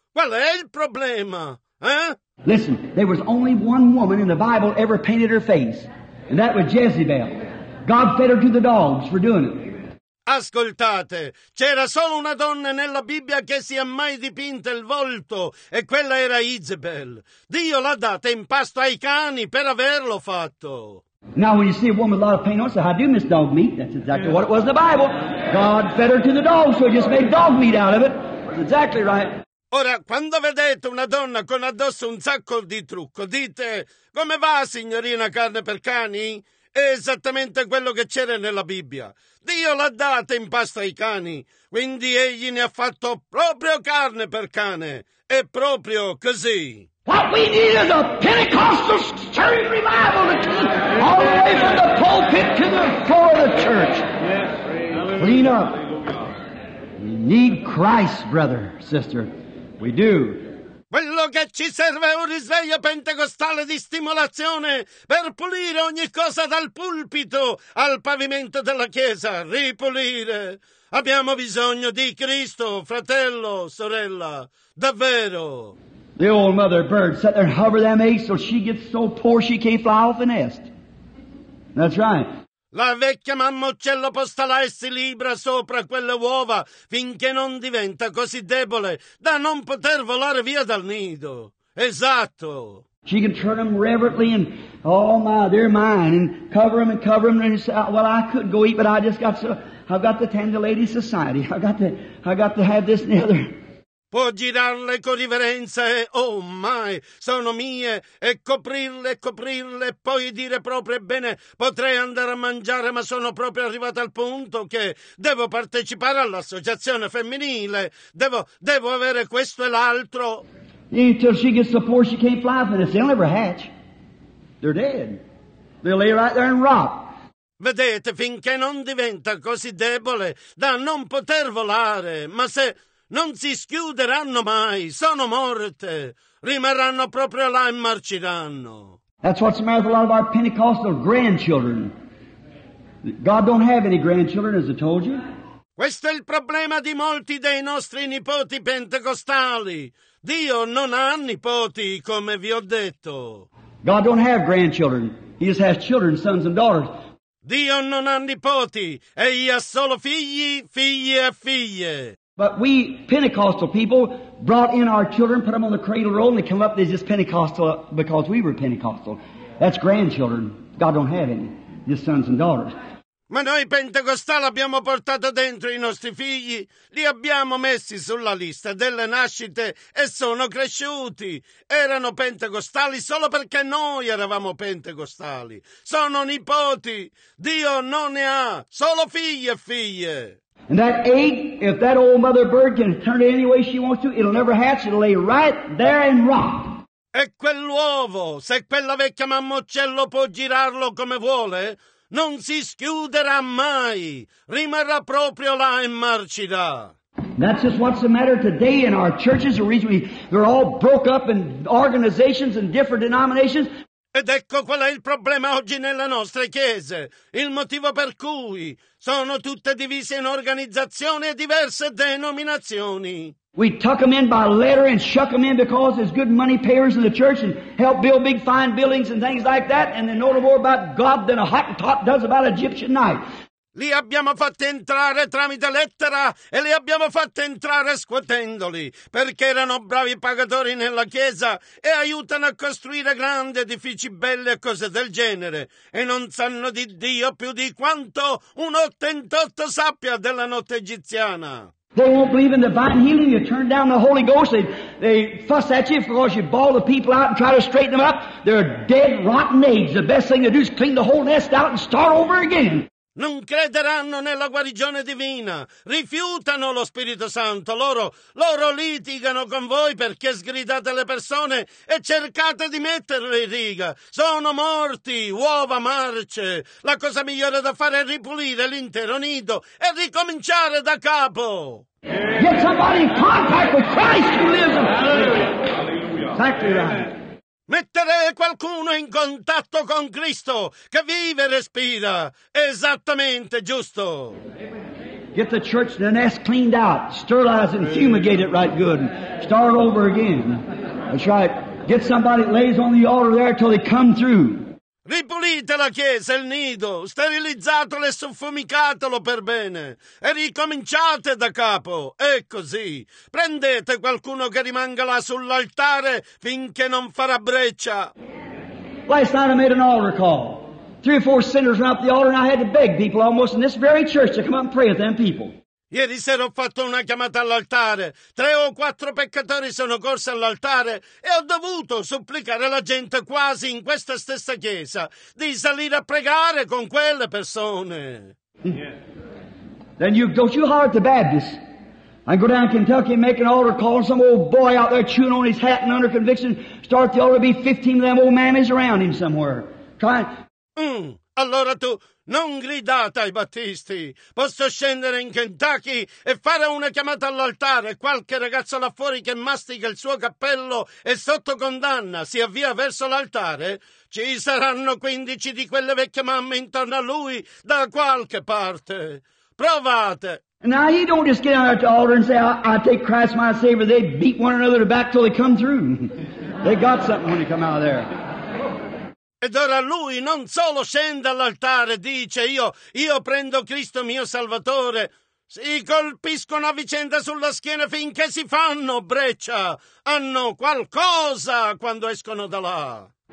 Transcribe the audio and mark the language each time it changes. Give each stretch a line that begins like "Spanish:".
Italian: Qual è il problema, eh?
English: Listen, there was only one woman in the Bible ever painted her face, and that was Jezebel. God fed her to the dogs for doing it.
Italian: Ascoltate, c'era solo una donna nella Bibbia che si è mai dipinta il volto, e quella era Jezebel. Dio l'ha data in pasto ai cani per averlo fatto.
English: Now when you see a woman with a lot of paint on, say, how do you miss dog meat? That's exactly what it was in the Bible. God fed her to the dog, so he just made dog meat out of it. That's exactly right.
Italian: Ora, quando vedete una donna con addosso un sacco di trucco, dite, come va, signorina, carne per cani? È esattamente quello che c'era nella Bibbia. Dio l'ha data in pasto ai cani, quindi egli ne ha fatto proprio carne per cane. È proprio così.
English: What we need is a Pentecostal church revival to come all the way from the pulpit to the floor of the church. Clean up. We need Christ, brother, sister. We do.
Italian: Quello che ci serve è un risveglio pentecostale di stimolazione per pulire ogni cosa dal pulpito al pavimento della chiesa. Ripulire. Abbiamo bisogno di Cristo, fratello, sorella. Davvero.
English: The old mother bird sat there and hovered them eggs till she gets so poor she can't fly off the nest. That's right.
Italian: La vecchia mamma uccello posta là e si libra sopra quelle uova finché non diventa così debole da non poter volare via dal nido. Esatto.
English: She can turn them reverently and, oh my, they're mine, and cover them and cover them and say, well, I could go eat, but I just got so, I've got to attend the Lady Society. I got to have this and the other.
Italian: Può girarle con riverenza e,
English: oh my,
Italian: sono mie, e coprirle, coprirle, e poi dire proprio, bene, potrei andare a mangiare, ma sono proprio arrivata al punto che devo partecipare all'associazione femminile, devo avere questo e l'altro.
English: Until she gets the force, she can't fly, but it's they'll never hatch. They're dead. They lay right there and rot.
Italian: Vedete, finché non diventa così debole da non poter volare, ma se... Non si schiuderanno mai, sono morte. Rimarranno proprio là e marciranno.
English: That's what's the matter with a lot of our Pentecostal grandchildren. God don't have any grandchildren, as I told you.
Italian: Questo è il problema di molti dei nostri nipoti pentecostali. Dio non ha nipoti, come vi ho detto.
English: God don't have grandchildren. He just has children, sons and daughters.
Italian: Dio non ha nipoti. Egli ha solo figli, figli e figlie.
English: But we Pentecostal people brought in our children, put them on the cradle roll, and they come up, they're just Pentecostal because we were Pentecostal. That's grandchildren. God don't have any. Just sons and daughters.
Italian: Ma noi Pentecostali abbiamo portato dentro i nostri figli, li abbiamo messi sulla lista delle nascite e sono cresciuti. Erano Pentecostali solo perché noi eravamo Pentecostali. Sono nipoti. Dio non ne ha. Solo figli e figlie.
English: And that egg, if that old mother bird can turn it any way she wants to, it'll never hatch, it'll lay right there and rot.
Italian: E quell'uovo, se quella vecchia mamma uccello può girarlo come vuole, non si schiuderà mai, rimarrà proprio là e marcirà.
English: That's just what's the matter today in our churches, the reason they're all broke up in organizations and different denominations.
Italian: Ed ecco qual è il problema oggi nelle nostre chiese, il motivo per cui sono tutte divise in organizzazioni e diverse denominazioni.
English: We tuck them in by letter and shuck them in because there's good money payers in the church and help build big fine buildings and things like that, and they know no more about God than a Hottentot does about Egyptian night.
Italian: Li abbiamo fatti entrare tramite lettera e li abbiamo fatti entrare scuotendoli perché erano bravi pagatori nella chiesa e aiutano a costruire grandi edifici belli e cose del genere e non sanno di Dio più di quanto un ottentotto sappia della notte egiziana.
English: They won't believe in divine healing. You turn down the Holy Ghost. They fuss at you because you bawl the people out and try to straighten them up. They're dead, rotten eggs. The best thing to do is clean the whole nest out and start over again.
Italian: Non crederanno nella guarigione divina, rifiutano lo Spirito Santo, loro litigano con voi perché sgridate le persone e cercate di metterle in riga, sono morti, uova marce, la cosa migliore da fare è ripulire l'intero nido e ricominciare da capo.
English: Get somebody in contact with Christ who lives in Hallelujah.
Italian: Mettere qualcuno in contatto con Cristo che vive e respira. Esattamente giusto.
English: Get the church, the nest cleaned out. Sterilize and fumigate it right good. Start over again. That's right. Get somebody that lays on the altar there till they come through.
Italian: Ripulite la chiesa, il nido. Sterilizzatelo e soffumicatelo per bene. E ricominciate da capo. E così. Prendete qualcuno che rimanga là sull'altare finché non farà breccia.
English: Last night I made an altar call. Three or four sinners went up the altar and I had to beg people almost in this very church to come up and pray with them people.
Italian: Ieri sera ho fatto una chiamata all'altare. Tre o quattro peccatori sono corsi all'altare e ho dovuto supplicare la gente quasi in questa stessa chiesa di salire a pregare con quelle persone.
English: Then don't you holler at the Baptist. I go down to Kentucky and make an altar call and some old boy out there chewing on his hat and under conviction start the altar, be 15 of them old mammies around him somewhere. Try.
Italian: Allora tu... Non gridate ai battisti. Posso scendere in Kentucky e fare una chiamata all'altare. Qualche ragazzo là fuori che mastica il suo cappello e sotto condanna si avvia verso l'altare. Ci saranno 15 di quelle vecchie mamme intorno a lui da qualche parte. Provate.
English: Now you don't just get on the altar and say, I take Christ my Savior. They beat one another back till they come through. They got something when they come out of there.
Italian: Ed ora lui non solo scende all'altare e dice io prendo Cristo mio Salvatore, si colpiscono a vicenda sulla schiena finché si fanno breccia, hanno qualcosa quando escono da là.